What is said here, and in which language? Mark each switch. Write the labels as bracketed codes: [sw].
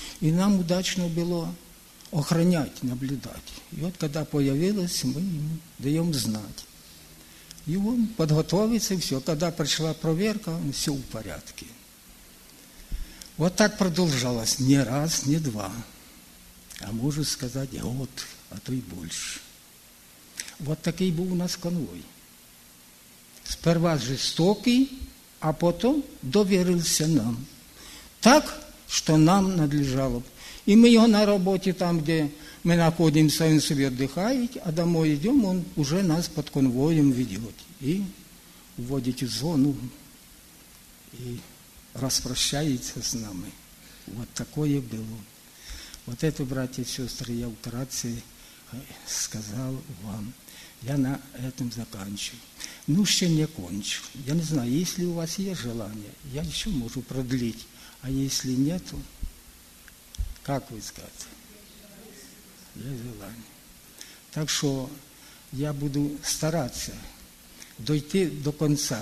[ru] И нам удачно было охранять, наблюдать. И вот когда появилось, мы им даем знать. И он подготовится, и все. Когда пришла проверка, все в порядке. Вот так продолжалось не раз, не два. А можно сказать, год, а то и больше. [uk] Вот такий був у нас конвой. [ru] Сперва жестокий, [uk] а потім довірився нам. Так, що нам надлежало б. І ми його на роботі, там, де ми знаходимося, він собі відпочиває, а домо йдемо, він вже нас під конвоєм веде. І вводить в зону, і розпрощається з нами. Вот таке було. [ru] Вот это, [uk] браті і сестри, я вкратце сказав вам. [ru] Я на этом заканчиваю. Ну, еще не кончу. Я не знаю, если у вас есть желание, я еще могу продлить. А если нету, как вы скажете? Есть желание. Так что я буду стараться дойти до конца.